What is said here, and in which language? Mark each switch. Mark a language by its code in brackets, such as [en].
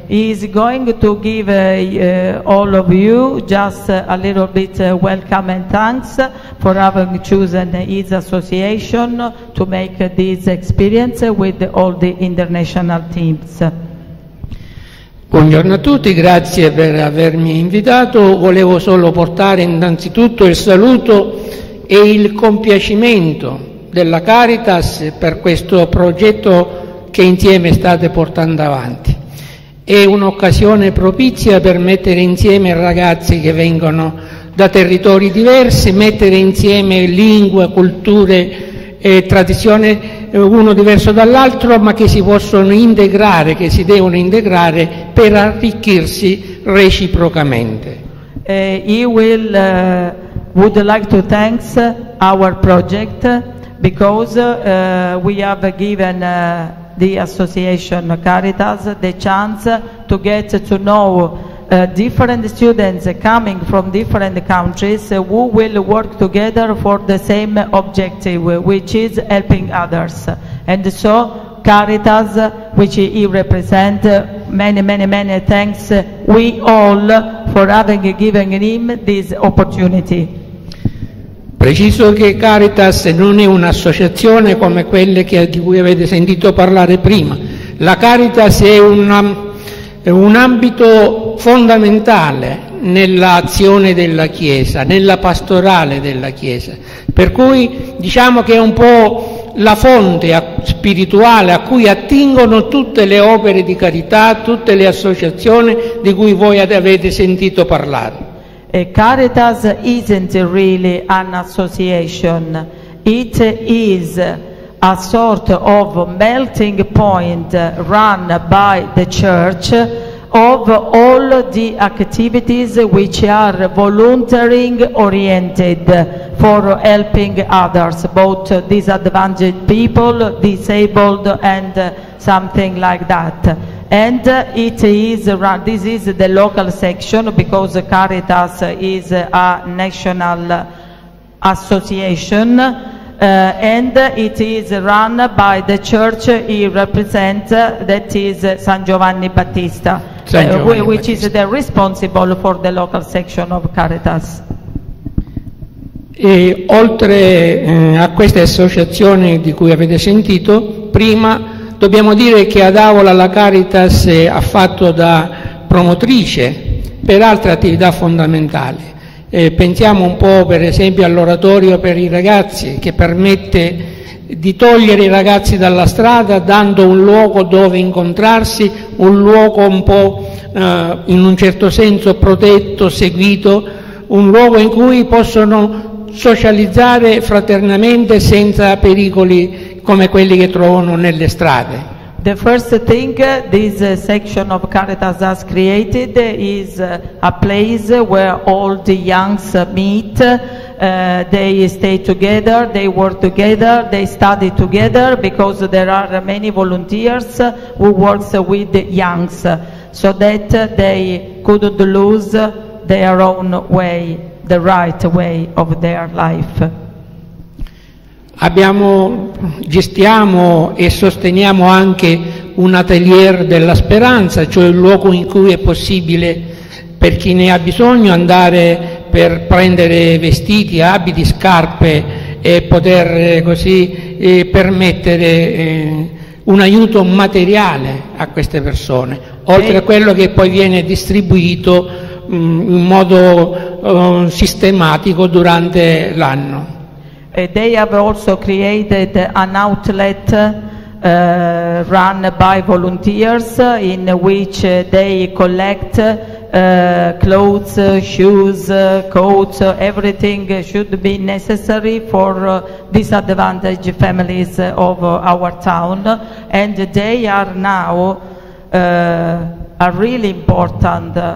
[en] He is going to give all of you just a little bit welcome and thanks for having chosen his association to make this experience with all the international teams. [it] Buongiorno a tutti, grazie per avermi invitato. Volevo solo portare innanzitutto il saluto e il compiacimento della Caritas per questo progetto che insieme state portando avanti. È un'occasione propizia per mettere insieme ragazzi che vengono da territori diversi, mettere insieme lingue, culture e tradizioni uno diverso dall'altro, ma che si possono integrare, che si devono integrare per arricchirsi reciprocamente. [en] Would like to thank our project because we have given the association Caritas the chance to get to know different students coming from different countries who will work together for the same objective, which is helping others. And so Caritas, which he represents, many thanks we all for having given him this opportunity. [it] Preciso che Caritas non è un'associazione come quelle che, di cui avete sentito parlare prima. La Caritas è un ambito fondamentale nell'azione della Chiesa, nella pastorale della Chiesa. Per cui diciamo che è un po' la fonte spirituale a cui attingono tutte le opere di carità, tutte le associazioni di cui voi avete sentito parlare. [en] Caritas isn't really an association. It is a sort of melting point run by the church of all the activities which are volunteering oriented for helping others, both disadvantaged people, disabled, and something like that. And it is this is the local section, because Caritas is a national association, and it is run by the church he represents, that is San Giovanni Battista, which is the responsible for the local section of Caritas. [it] E oltre a queste associazioni di cui avete sentito prima, dobbiamo dire che ad Avola la Caritas ha fatto da promotrice per altre attività fondamentali. Pensiamo un po' per esempio all'oratorio per i ragazzi, che permette di togliere i ragazzi dalla strada dando un luogo dove incontrarsi, un luogo un po' in un certo senso protetto, seguito, un luogo in cui possono socializzare fraternamente senza pericoli come quelli che trovano nelle strade. [en] The first thing this section of Caritas has created is a place where all the youngs meet. They stay together, they work together, they study together, because there are many volunteers who work with the youngs, so that they couldn't lose their own way, the right way of their life. [it] Abbiamo, gestiamo e sosteniamo anche un atelier della speranza, cioè un luogo in cui è possibile per chi ne ha bisogno andare per prendere vestiti, abiti, scarpe e poter così permettere un aiuto materiale a queste persone, oltre a quello che poi viene distribuito in modo sistematico durante l'anno. [en] They have also created an outlet run by volunteers in which they collect clothes, shoes, coats, everything should be necessary for disadvantaged families of our town, and they are now a really important